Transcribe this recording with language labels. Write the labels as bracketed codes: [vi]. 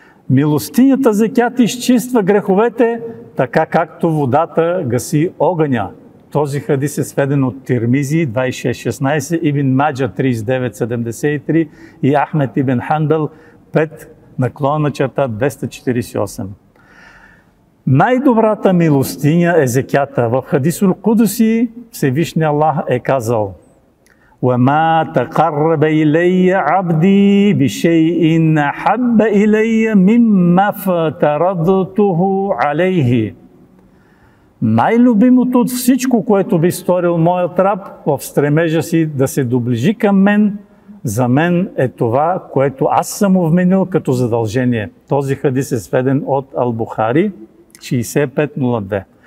[bg] Милостинята зекят изчиства греховете, така както водата гаси огъня. Този хадис е сведен от Тирмизи 26.16, Ибн Маджа 39.73 и Ахмед Ибн Хандъл 5/248. Най-добрата милостиня е зекята. В хадис ул-Кудуси Всевишния Аллах е казал: [ar] وَمَا تَقَرَّبَ إِلَيَّ عَبْدِي بِشَيْءٍ حَبَّ إِلَيَّ مِمَّا فَتَرَضْتُهُ عَلَيْهِ. [bg] Най-любимото от всичко, което би сторил моят раб в стремежа си да се доближи към мен, за мен е това, което аз съм вменил като задължение. Този хадис е сведен от Аль-Бухари, 6502.